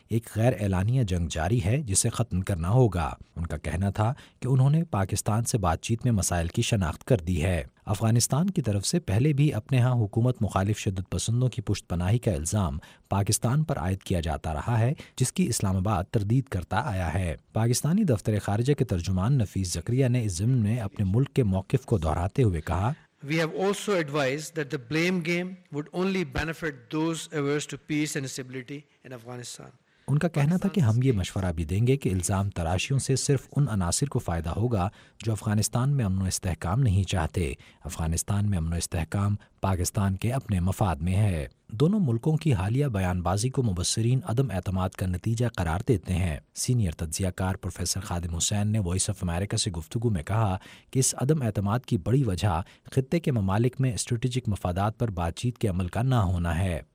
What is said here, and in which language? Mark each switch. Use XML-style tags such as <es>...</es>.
<ur>ایک غیر اعلانیہ جنگ جاری ہے جسے ختم کرنا ہوگا۔ ان کا کہنا تھا کہ انہوں نے پاکستان سے بات چیت میں مسائل کی شناخت کر دی ہے۔ افغانستان کی طرف سے پہلے بھی اپنے ہاں حکومت مخالف شدت پسندوں کی پشت پناہی کا الزام پاکستان پر عائد کیا جاتا رہا ہے، جس کی اسلام آباد تردید کرتا آیا ہے۔ پاکستانی دفتر خارجہ کے ترجمان نفیس زکریا نے اس ضمن میں اپنے ملک کے موقف کو دہراتے ہوئے کہا،</ur> <en>We have also advised that the blame game would only benefit those averse to peace and stability in Afghanistan.</en> <ur>ان کا کہنا تھا کہ ہم یہ مشورہ بھی دیں گے کہ الزام تراشیوں سے صرف ان عناصر کو فائدہ ہوگا جو افغانستان میں امن و استحکام نہیں چاہتے۔ افغانستان میں امن و استحکام پاکستان کے اپنے مفاد میں ہے۔ دونوں ملکوں کی حالیہ بیان بازی کو مبصرین عدم اعتماد کا نتیجہ قرار دیتے ہیں۔ سینئر تجزیہ کار پروفیسر خادم حسین نے وائس آف امریکہ سے گفتگو میں کہا کہ اس عدم اعتماد کی بڑی وجہ خطے کے ممالک میں اسٹریٹجک مفادات پر بات چیت کے عمل کا نہ ہونا ہے۔</ur>